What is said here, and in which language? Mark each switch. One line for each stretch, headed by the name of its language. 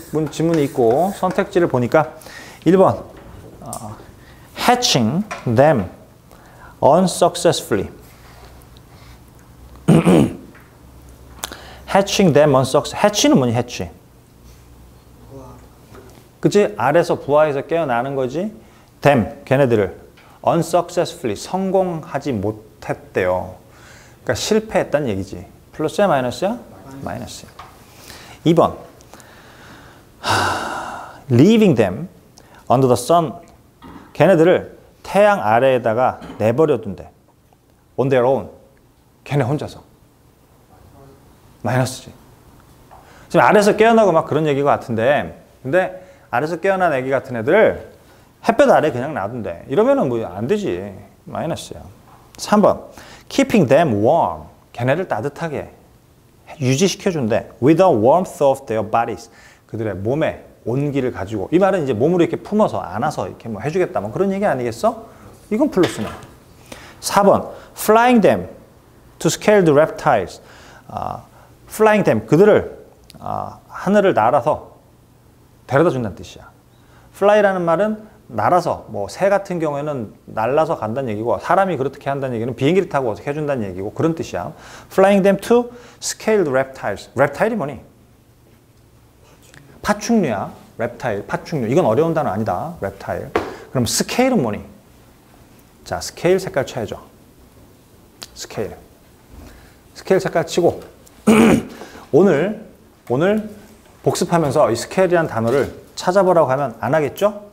Korean: 지문이 있고, 선택지를 보니까 1번.
English: Hatching them unsuccessfully. Hatching them unsuccessfully.
Korean: Hatching은 뭐니?
English: Hatch.
Korean: 그치? 알에서 부화해서 깨어나는 거지. them, 걔네들을. unsuccessfully. 성공하지 못했대요. 그러니까 실패했다는 얘기지. 플러스야? 마이너스야? 마이너스야. 2번.
English: leaving them under the sun.
Korean: 걔네들을 태양 아래에다가 내버려 둔대.
English: on their own.
Korean: 걔네 혼자서. 마이너스지. 지금 아래에서 깨어나고 막 그런 얘기가 같은데. 근데 아래에서 깨어난 애기 같은 애들 햇볕 아래 그냥 놔둔대. 이러면은 뭐 안 되지. 마이너스야. 3번.
English: keeping them warm.
Korean: 걔네를 따뜻하게 유지시켜 준대.
English: with the warmth of their bodies.
Korean: 그들의 몸에 온기를 가지고. 이 말은 이제 몸으로 이렇게 품어서 안아서 이렇게 뭐 해주겠다 뭐 그런 얘기 아니겠어? 이건 플러스네.
English: 4번, flying them to scare the reptiles. Flying them,
Korean: 그들을 하늘을 날아서 데려다 준다는 뜻이야. Fly라는 말은 날아서, 뭐 새 같은 경우에는 날아서 간다는 얘기고, 사람이 그렇게 한다는 얘기는 비행기를 타고 어떻게 해준다는 얘기고, 그런 뜻이야.
English: Flying them to scare the reptiles.
Korean: Reptile이 뭐니? 파충류야. Reptile, 파충류. 이건 어려운 단어 아니다. Reptile. 그럼 scale은 뭐니? 자, scale 색깔 쳐야죠.
English: Scale.
Korean: Scale 색깔 치고, 오늘 복습하면서 이 scale이란 단어를 찾아보라고 하면 안 하겠죠?